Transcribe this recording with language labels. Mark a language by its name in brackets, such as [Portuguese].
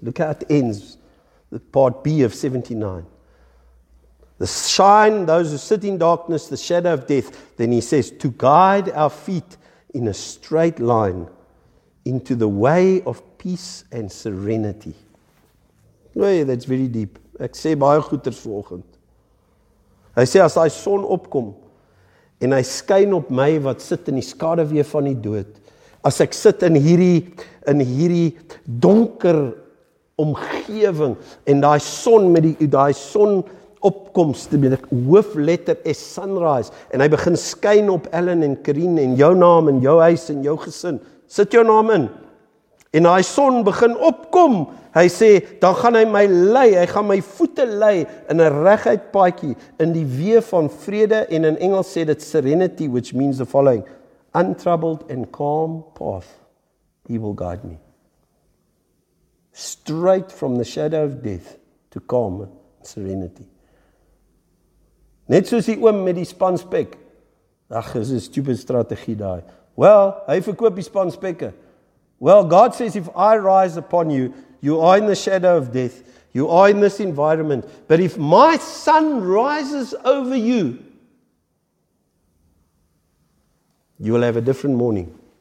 [English] Look how it ends, the part B of 79. The shine, those who sit in darkness, the shadow of death. Then he says, to guide our feet in a straight line into the way of peace and serenity. Well, yeah, that's very deep. [Afrikaans] Ek sê baie goeders vanoggend. Hy sê as daai son opkom en hy skyn op my wat sit in die skaduwee van die dood, as ek sit in hierdie donker omgewing en daai son opkoms te met 'n hoofletter S sunrise en hy begin skyn op Ellen en Karen en jou naam en jou huis en jou gesin. Sit jou naam in. En daai son begin opkom. Hy sê, dan gaan hy my lei, hy gaan my voete lei in 'n reguit paadjie in die wee van vrede en in Engels sê dit [English] serenity which means the following, untroubled and calm path. He will guide me. Straight from the shadow of death to calm and serenity. [Afrikaans] Net soos die oom met die spanspek. Ag, dis 'n stupid strategie daai. Well, hy verkoop die spanspekke. [English] Well, God says, if I rise upon you, you are in the shadow of death. You are in this environment. But if my sun rises over you, you will have a different morning.